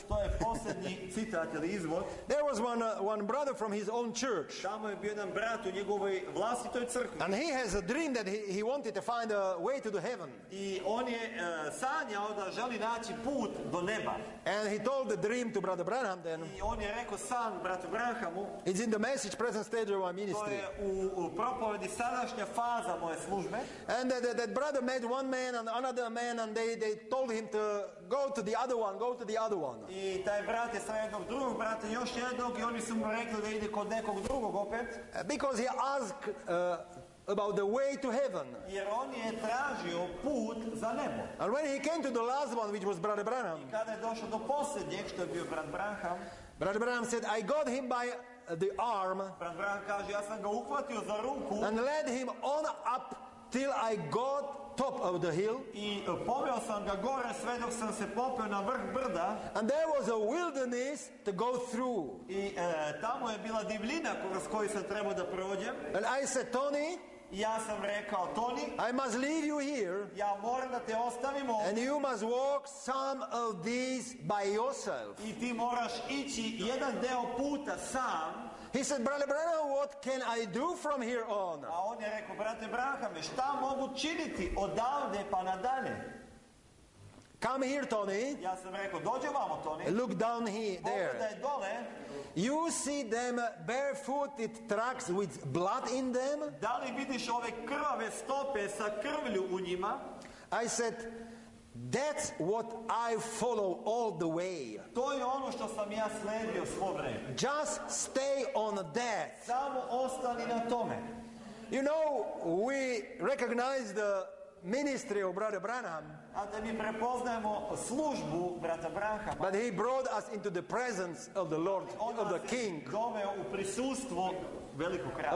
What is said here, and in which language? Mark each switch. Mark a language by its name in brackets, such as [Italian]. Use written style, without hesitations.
[Serbian] To je posljednji citat ili izvod. [English] There was one brother from his own church. [Serbian] Tamo je bio jedan brat u njegovoj vlastitoj crkvi. [English] And he has a dream that he wanted to find a way to the heaven. [Serbian] I on je sanjao da želi naći put do neba. [English] And he told the dream to Brother Branham then. [Serbian] I on je rekao san bratu Branhamu. [English] It's in the message present stage of our ministry. [Serbian] To je u propovedi sadašnja faza moje službe. [English] And that brother met one man and another man and they told him to go to the other one, go to the other one. [Serbian] I taj brat je sreo jednog drugog brata, još jednog, i oni su mu rekli da ide kod nekog drugog opet. [English] Because he asked about the way to heaven. [Serbian] Jer on je tražio put za nebo. [English] And when he came to the last one, which was Brother Branham. [Serbian] I kada je došao do posljednjeg, što je bio brat Branham. [English] Brother Branham said, I got him by the arm. [Serbian] Brat Branham kaže, ja sam ga uhvatio za ruku. [English] And led him on up till I got top of the hill. [Serbian] I poveo sam ga gore sve dok sam se popeo na vrh brda. [English] And there was a wilderness to go through. [Serbian] I tamo je bila divljina kroz koju sam trebao da prođem. [English] And I said, Tony, [Serbian] ja sam rekao, Tony, [English] I must leave you here. [Serbian] Ja moram da te ostavim ovdje. [English] And you must walk some of these by yourself. [Serbian] I ti moraš ići jedan deo puta sam. [English] He said, Brother Branham, what can I do from here on? [Serbian] A on je rekao, brate Branhame, šta mogu činiti odavde pa nadalje? [English] Come here, Tony. [Serbian] Ja sam rekao, dođe vamo, Tony. [English] Look down here, there. [Serbian] Pogledaj dole. [English] You see them barefooted tracks with blood in them? [Serbian] Da li vidiš ove krvave stope sa krvlju u njima? [English] I said, that's what I follow all the way. [Serbian] To je ono što sam ja sledio svo vreme. [English] Just stay on that. [Serbian] Samo ostani na tome. [English] You know, we recognize the ministry of Brother Branham. [Serbian] A da mi prepoznajemo službu brata Branhama. [English] But he brought us into the presence of the Lord, of the King. [Serbian] Doveo u prisustvo velikog kralja.